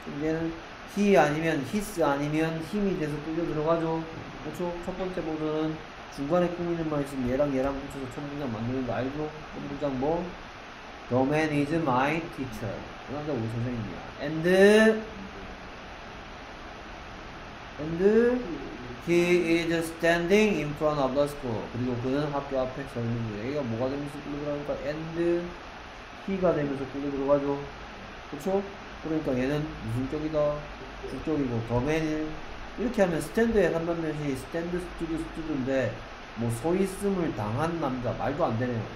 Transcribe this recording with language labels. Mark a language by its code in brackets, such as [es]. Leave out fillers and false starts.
[ko] 얘는 he 아니면 his 아니면 him이 돼서 끌려 들어가죠. 그렇죠? 첫 번째 버전은 중간에 꾸미는 말이 지금 얘랑 붙여서 첫 문장 만드는 거 알죠? 첫 문장 뭐? [en] The man is my teacher. [ko] 그 남자 우리 선생님이야. [en] And he is standing in front of the school. [ko] 그리고 그는 학교 앞에 서 있는 거예요. 얘가 뭐가 되면서 끌려 들어가니까 and he가 되면서 끌려 들어가죠. 그렇죠? 그러니까 얘는 무슨 쪽이다? 그쪽이고 the man 이렇게 하면 stand의 한반면이 stand, stood, stood인데 뭐 서 있음을 당한 남자 말도 안 되네요.